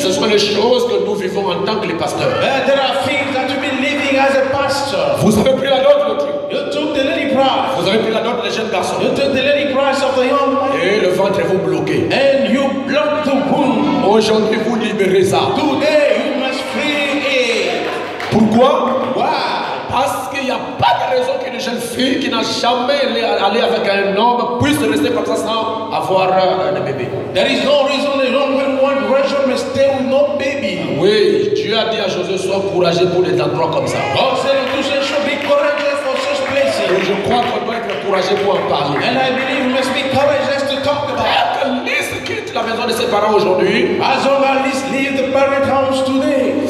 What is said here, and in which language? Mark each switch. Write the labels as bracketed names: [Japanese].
[French] Ce sont les choses que nous vivons en tant que les pasteurs. [English] There are things that you've been living as a pastor. [French] Vous avez pris la dot, mon Dieu. [English] You took the lady price. [French] Vous avez pris la dot, les jeunes garçons. [English] You took the lady price of the young man. [French] Et le ventre vous bloqué. [English] And you block the womb. [French] Aujourd'hui, vous libérez ça. [English] Today, you must free it. [French] Pourquoi? [English] Why? [French] Parce qu'il n'y a pas de raison qu'une jeune fille qui n'a jamais allé avec un homme puisse rester comme ça sans avoir un bébé. [English] There is no reason a young woman virgin must stay with no baby. [French] Oui, Dieu a dit à Josué, sois courageux pour des endroits comme ça. Oh, c'est le toucher, je suis courageux. Et je crois qu'on doit être encouragé pour en parler. [English] And I believe we must be encouraged just to talk about. [French] Lise quitte la maison de ses parents aujourd'hui. [English] As all our list leave the parent house today.